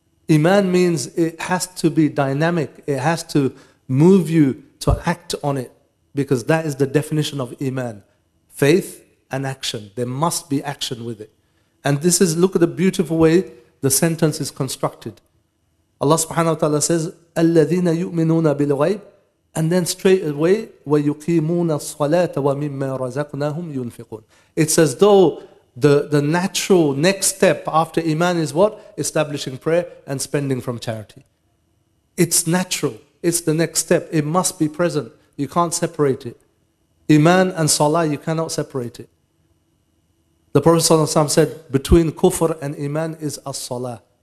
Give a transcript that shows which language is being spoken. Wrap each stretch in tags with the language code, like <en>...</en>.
<en>Iman means it has to be dynamic. It has to move you to act on it, because that is the definition of iman. Faith and action. There must be action with it. And this is, look at the beautiful way the sentence is constructed. Allah subhanahu wa ta'ala says,</en> <ar>أَلَّذِينَ يُؤْمِنُونَ بِالْغَيْبِ.</ar> <en>And then straight away,</en> <ar>وَيُقِيمُونَ الصَّلَاةَ وَمِمَّا رَزَقْنَاهُمْ يُنْفِقُونَ.</ar> <en>It's as though the natural next step after iman is what? Establishing prayer and spending from charity. It's natural. It's the next step. It must be present. You can't separate it. Iman and Salah, you cannot separate it. The Prophet ﷺ said, between kufr and iman is as-salah.</en>